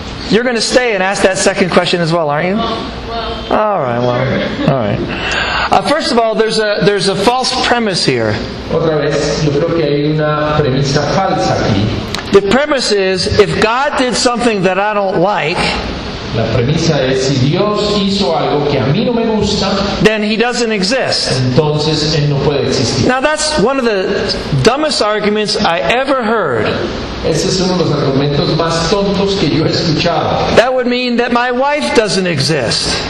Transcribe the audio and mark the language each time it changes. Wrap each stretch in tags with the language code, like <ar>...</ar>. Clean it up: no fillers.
<en>You're going to stay and ask that second question as well, aren't you? All right. First of all, there's a false premise here.</en> <es>Otra vez, yo creo que hay una premisa falsa aquí.</es> <en>The premise is, if God did something that I don't like,</en> <es>la premisa es, si Dios hizo algo que a mí no me gusta,</es> <en>then he doesn't exist.</en> <es>Entonces, él no puede existir.</es> <en>Now that's one of the dumbest arguments I ever heard.</en> <es>Ese es uno de los argumentos más tontos que yo he escuchado.</es> <en>That would mean that my wife doesn't exist.</en>